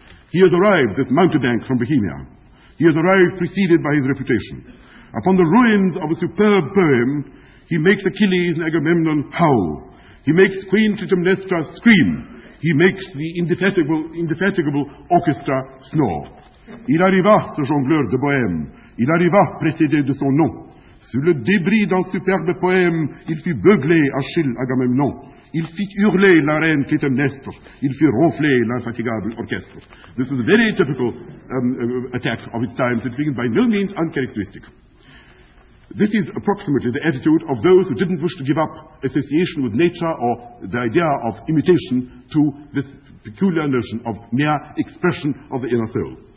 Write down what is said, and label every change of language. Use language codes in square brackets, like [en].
[en] "He has arrived, this mountebank from Bohemia. He has arrived preceded by his reputation. Upon the ruins of a superb poem, he makes Achilles and Agamemnon howl. He makes Queen Clytemnestra scream. He makes the indefatigable orchestra snore. [fr] Il arriva, ce jongleur de bohème. Il arriva, précédé de son nom. Sur le débris d'un superbe poème, il fit beugler Achille Agamemnon. Il fit hurler la reine Clytemnestre. Il fit ronfler l'infatigable orchestre." [en] This is a very typical attack of its time, which is by no means uncharacteristic. This is approximately the attitude of those who didn't wish to give up association with nature or the idea of imitation to this peculiar notion of mere expression of the inner soul.